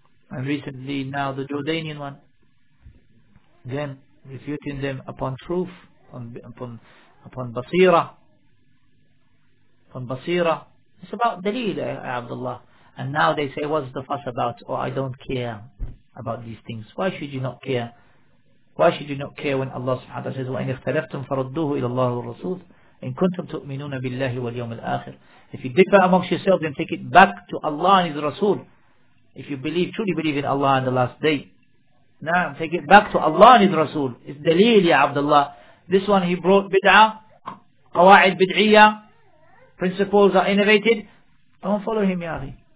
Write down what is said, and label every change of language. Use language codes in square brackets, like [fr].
[en] And recently, now the Jordanian one, again, refuting them upon truth, upon basira. It's about dalil, Abdullah. And now they say, what's the fuss about? Oh, I don't care about these things. Why should you not care? Why should you not care when Allah subhanahu wa ta'ala says, [ar] وَإِنْ اِخْتَلَفْتُمْ فَرَدُّوهُ إِلَى اللَّهِ وَالرَّسُولِ إِنْ كُنْتُمْ تُؤْمِنُونَ بِاللَّهِ وَالْيَوْمِ الْآخِرِ. [en] If you differ amongst yourselves, then take it back to Allah and His Rasul. If you believe, truly believe in Allah and the last day. Now, take it back to Allah and His Rasul. It's dalil, ya Abdullah. This one, he brought bid'ah, qawa'id bid'iyya, principles are innovated. Don't follow him, ya Akhi.